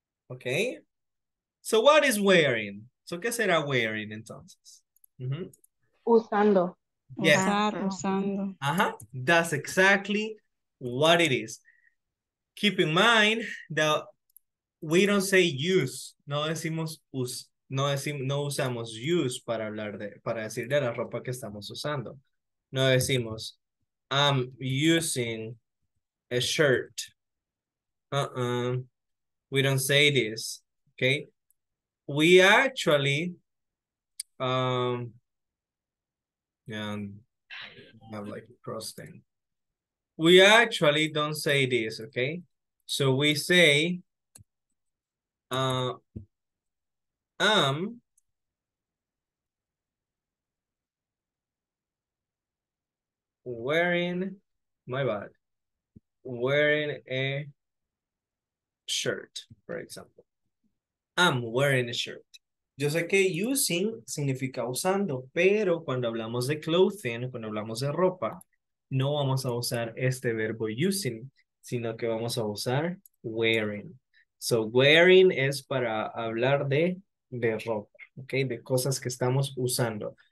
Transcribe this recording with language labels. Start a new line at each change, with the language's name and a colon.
English: Okay, so what is wearing? So
Spanish: ¿qué será wearing entonces? Usando.
English: Uh-huh. That's exactly what it is. Keep in mind that we don't say use.
Spanish: No usamos use para decir de la ropa que estamos usando. No decimos
English: I'm using a shirt. We don't say this. Okay. We actually We actually don't say this, okay? So we say, I'm wearing a shirt, for example. I'm wearing a shirt.
Spanish: Yo sé que using significa usando, pero cuando hablamos de clothing, cuando hablamos de ropa, no vamos a usar este verbo using, sino que vamos a usar wearing. So wearing es para hablar de ropa, okay, de cosas que estamos usando.